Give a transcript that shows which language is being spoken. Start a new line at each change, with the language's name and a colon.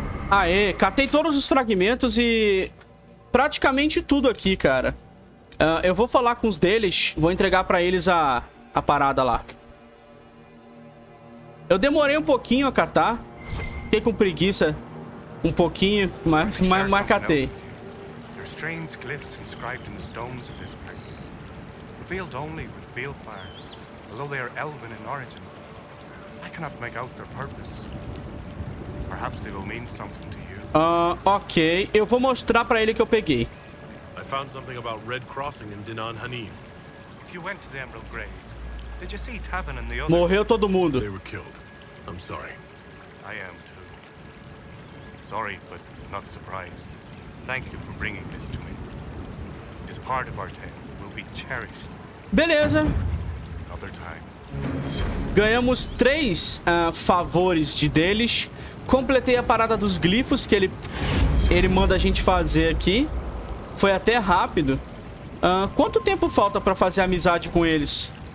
Portuguese: Aê, catei todos os fragmentos e... praticamente tudo aqui, cara. Eu vou falar com os deles. Vou entregar pra eles a parada lá. Eu demorei um pouquinho a catar. Fiquei com preguiça. Um pouquinho, mas catei.
English: Strange glyphs inscribed in the stones of this place, revealed only with balefire, although they are elven in origin. I cannot make out their purpose. Perhaps they will mean something to you.
Portuguese: Ok, eu vou mostrar para ele que eu peguei.
English: I found something about Red Crossing in Dinan Hanim. If you went to the Emerald Graves, did you see Tavern and the other?
Portuguese: Morreu todo mundo.
English: They were killed. I'm sorry. I am too. Sorry, but not surprised. Thank you for bringing this to me. This part of our tale will be cherished.
Portuguese: Beleza.
English: Another time.
Portuguese: Ganhamos três favores de deles. Completei a parada dos glifos que ele manda a gente fazer aqui. Foi até rápido. Quanto tempo falta para fazer amizade com eles?